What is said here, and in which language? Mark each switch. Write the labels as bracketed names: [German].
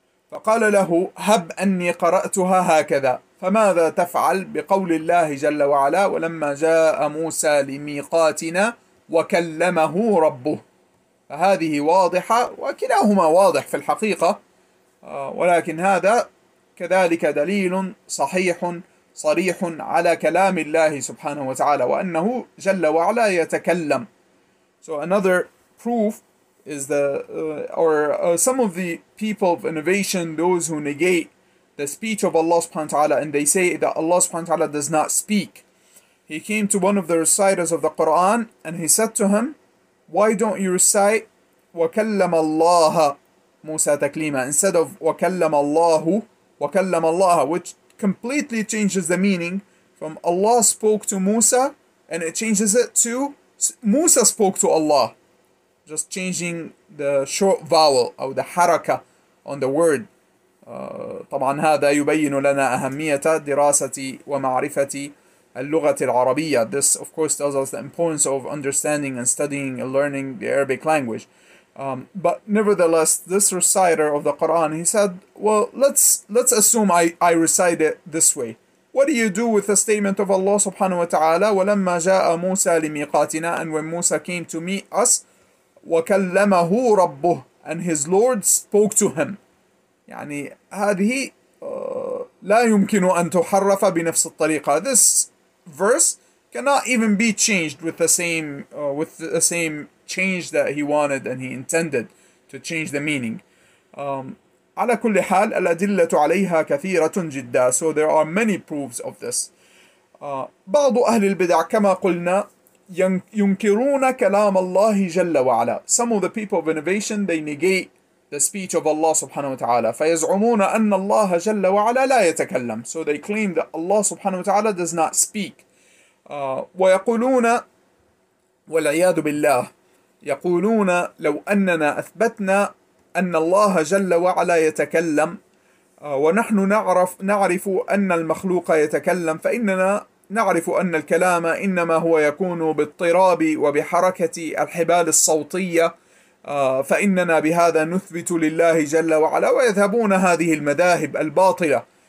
[Arabic] فقال له هب أني قرأتها هكذا، فماذا تفعل بقول الله جل وعلا ولما جاء موسى لميقاتنا وكلمه ربه؟ فهذه واضحة، وكلاهما واضح في الحقيقة، ولكن هذا كذلك دليل صحيح صريح على كلام الله سبحانه وتعالى وأنه جل وعلا يتكلم. [English] So another proof is the some of the people of innovation, those who negate the speech of Allah subhanahu wa ta'ala, and they say that Allah subhanahu wa ta'ala does not speak. He came to one of the reciters of the Quran and he said to him, why don't you recite [Arabic] وَكَلَّمَ اللَّهَ مُوسَى تَكْلِيمًا [English] instead of [Arabic] وَكَلَّمَ اللَّهُ وَكَلَّمَ اللَّهَ, [English] which completely changes the meaning from Allah spoke to Musa, and it changes it to Musa spoke to Allah, just changing the short vowel or the haraka on the word. [Arabic] طبعا هذا يبين لنا أهمية دراسة ومعرفة اللغة العربية. [English] This of course tells us the importance of understanding and studying and learning the Arabic language. But nevertheless, this reciter of the Quran, he said, well, let's assume I recite it this way. What do you do with the statement of Allah subhanahu wa ta'ala, [Arabic] وَلَمَّا جَاءَ مُوسَى لِمِيقَاتِنَا, [English] and when Musa came to meet us, [Arabic] وَكَلَّمَهُ رَبُّهُ, [English] and his Lord spoke to him. [Arabic] يعني هذه لا يمكن أن تحرف بنفس الطريقة. [English] This verse cannot even be changed with the same change that he wanted and he intended to change the meaning. [Arabic] على كل حال الأدلة عليها كثيرة جدا. [English] So there are many proofs of this. [Arabic] بعض أهل البدع كما قلنا ينكرون كلام الله جل وعلا. [English] Some of the people of innovation, they negate the speech of Allah subhanahu wa ta'ala. [Arabic] فيزعمون أن الله جل وعلا لا يتكلم. [English] So they claim that Allah subhanahu wa ta'ala does not speak. [Arabic] ويقولون والعياذ بالله يقولون لو أننا أثبتنا أن الله جل وعلا يتكلم ونحن نعرف أن المخلوق يتكلم فإننا نعرف أن الكلام إنما هو يكون باضطراب وبحركة الحبال الصوتية فإننا بهذا نثبت لله جل وعلا، ويذهبون هذه المذاهب الباطلة.